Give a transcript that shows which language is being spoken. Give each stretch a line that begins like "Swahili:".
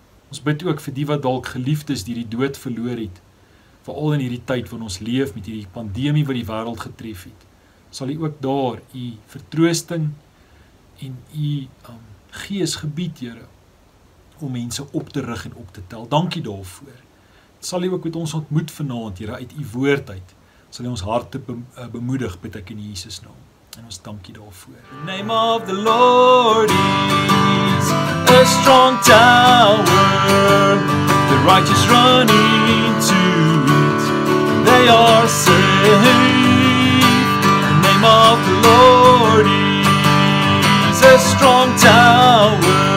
Afrikaans: Ons bid ook vir die wat dalk geliefdes die dood verloor het, veral in hierdie tyd wat ons leef met hierdie pandemie wat die wêreld getref het. Sal U ook daar U vertroosting en U Gees gebied, Here, om mense op te rig en op te tel. Dankie daarvoor. Sal U ook met ons ontmoet vanaand, Here, uit U woord uit. Sal U ons harte bemoedig, bid ek in Jesus naam. En ons dankie daarvoor.
English: The name of the Lord is a strong tower. The righteous run into it. They are saved. The name of the Lord is a strong tower.